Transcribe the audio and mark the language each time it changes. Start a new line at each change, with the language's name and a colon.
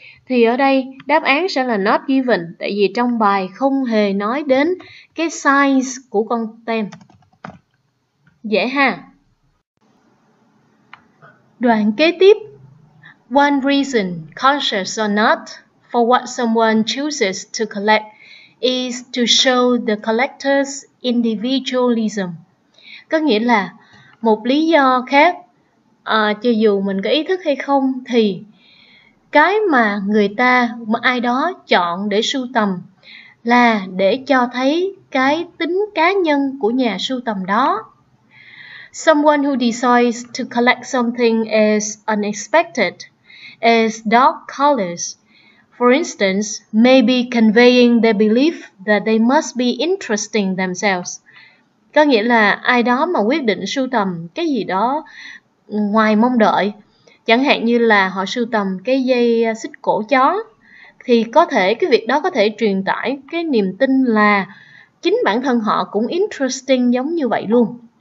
Vietnamese: Thì ở đây đáp án sẽ là not given, tại vì trong bài không hề nói đến cái size của con tem. Dễ ha. Đoạn kế tiếp,
English: one reason, conscious or not, for what someone chooses to collect is to show the collector's individualism.
Vietnamese: Có nghĩa là một lý do khác, cho dù mình có ý thức hay không, thì cái mà người ta, mà ai đó chọn để sưu tầm là để cho thấy cái tính cá nhân của nhà sưu tầm đó.
English: Someone who decides to collect something as unexpected, as dark colors, for instance, may be conveying their belief that they must be interesting themselves.
Vietnamese: Có nghĩa là ai đó mà quyết định sưu tầm cái gì đó ngoài mong đợi, chẳng hạn như là họ sưu tầm cái dây xích cổ chó, thì có thể cái việc đó có thể truyền tải cái niềm tin là chính bản thân họ cũng interesting giống như vậy luôn.